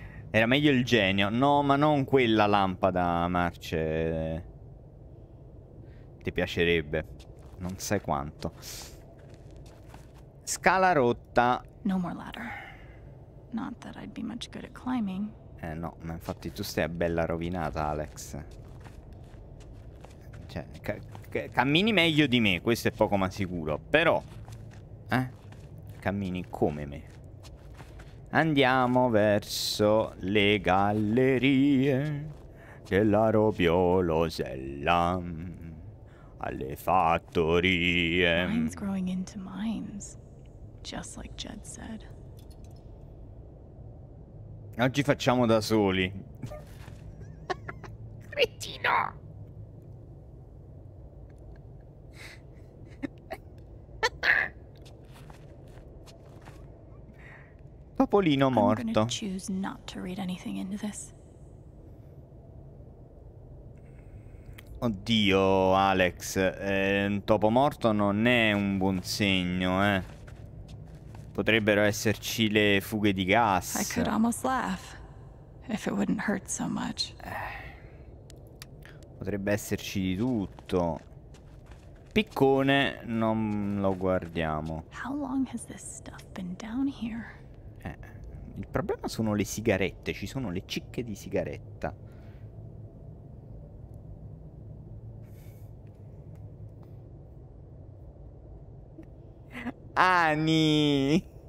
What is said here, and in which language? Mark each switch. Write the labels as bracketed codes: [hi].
[it] Era meglio il genio. No, ma non quella lampada, Marce. Ti piacerebbe. Non sai quanto. Scala rotta. [en] No more ladder. Not that I'd be much good at climbing. [it] No, ma infatti tu stai bella rovinata, Alex. Cioè, cammini meglio di me, questo è poco ma sicuro. Però, cammini come me. Andiamo verso le gallerie della Robiolosella, alle fattorie. [en] Mines growing into mines, just like Jed said. [it] Oggi facciamo da soli. Cretino! Popolino morto. [en] I'm gonna choose not to read anything into this. [it] Oddio, Alex, un topo morto non è un buon segno, eh. Potrebbero esserci le fughe di gas. [en] I could almost laugh if it wouldn't hurt so much. [it] Potrebbe esserci di tutto. Piccone, non lo guardiamo. [en] How long has this stuff been down here? [it] Il problema sono le sigarette, ci sono le cicche di sigaretta. Ani!